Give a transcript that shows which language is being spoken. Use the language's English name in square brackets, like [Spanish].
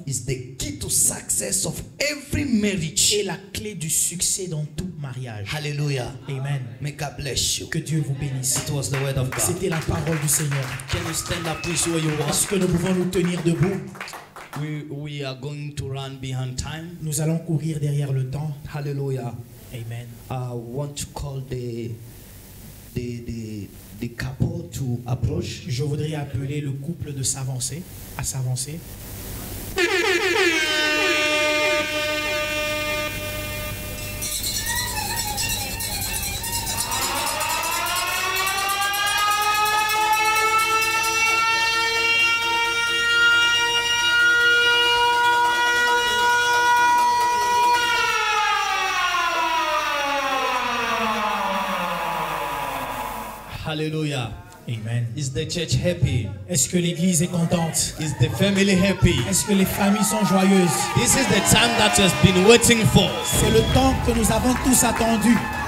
[English] is the key to success of every marriage. [French] Est la clé du succès dans tout mariage. [English] Hallelujah. Amen. May God bless you. [French] Que Dieu vous bénisse. [English] It was the word of God. [French] C'était la parole du Seigneur. [English] Can you stand up, please, where you are? [French] Est-ce que nous pouvons nous tenir debout? [English] We are going to run behind time. [French] Nous allons courir derrière le temps. [English] Hallelujah. Amen. I want to call the couple to approach. [French] Je voudrais appeler le couple de s'avancer, à s'avancer. [English] Hallelujah. Amen. Is the church happy? [French] Est-ce que l'église est contente? [English] Is the family happy? [French] Est-ce que les familles sont joyeuses? [English] This is the time that has been waiting for. [French] C'est le temps que nous avons tous attendu.